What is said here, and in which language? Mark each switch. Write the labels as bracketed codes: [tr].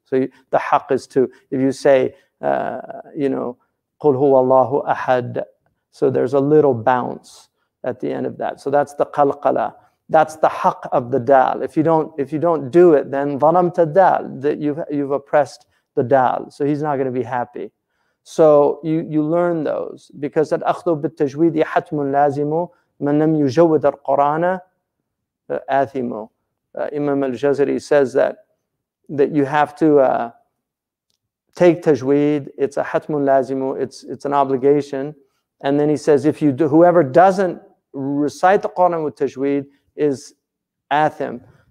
[en] So the haqq is to, if you say, you know, qul huwa Allahu ahad, so there's a little bounce at the end of that. So that's the qalqala. That's the haqq of the dal. If you don't do it, then ظَلَمْتَ dal, that you've oppressed the dal. So he's not going to be happy. So you learn those, because that [ar] أَخْذُ بِالتَّجْوِيدِ حَتْمٌ لَازِمُ مَنْ لَمْ يُجَوِّدَ الْقُرْآنَ آثِمُ. [en] Imam al-Jazari says that you have to take tajweed. It's a حَتْمٌ لَازِمُ. It's an obligation. And then he says, if you do, whoever doesn't recite the Qur'an with tajweed is athim.